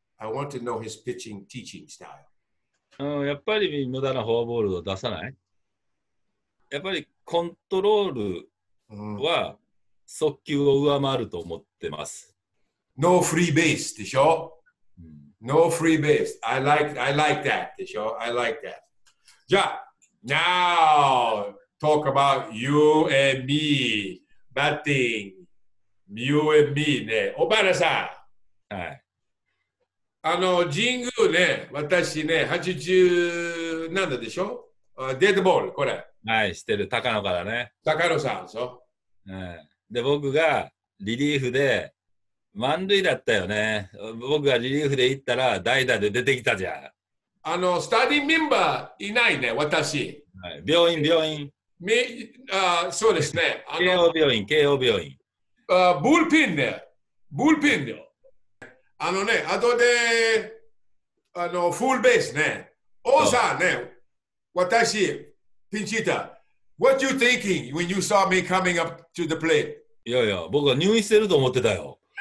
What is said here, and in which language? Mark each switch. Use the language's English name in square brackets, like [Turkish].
[English] I want to know his pitching teaching style. [Japanese] やっぱり無駄なフォアボールを出さない。やっぱりコントロールは速球を上回ると思ってます。 [English] No free base でしょ。No free base. I like that でしょ。I like that. じゃあ、now talk about you and me batting. You and me ね。小原さん。 [Japanese] はい。あの神宮ね、私ね、87でしょ、デッドボール、これ。はい、してる、高野からね。高野さん、そう、ね。で、僕がリリーフで、満塁だったよね。僕がリリーフで行ったら、代打で出てきたじゃん。あの、スタディメンバーいないね、私。はい、病院。そうですね。慶応病院。ブルペンね、ブルペンよ。あのね、後で、あの、フルベースね。王さんね、私、ピンチヒッター。 [English] What you thinking when you saw me coming up to the plate? [Japanese] いやいや、僕は入院してると思ってたよ。